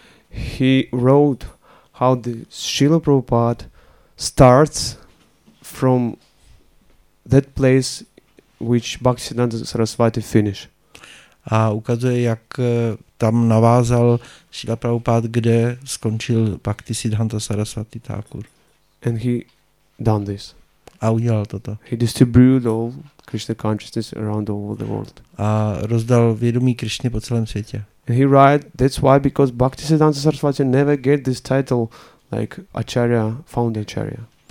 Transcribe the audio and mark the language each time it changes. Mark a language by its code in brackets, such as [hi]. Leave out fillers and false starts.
[en] he wrote how the Srila Prabhupada starts from that place which Bhaktisiddhanta Saraswati finish. [cs] A ukazuje, jak tam navázal Srila Prabhupada, kde skončil Bhaktisiddhanta Saraswati Thakur. [en] And he done this. [cs] A udělal toto. [en] He distributed all Krishna consciousness around all the world. [cs] A rozdal vědomí Krishny po celém světě. [en] And he write, that's why, because Bhaktisiddhanta Saraswati never get this title like Acharya, founder Acharya.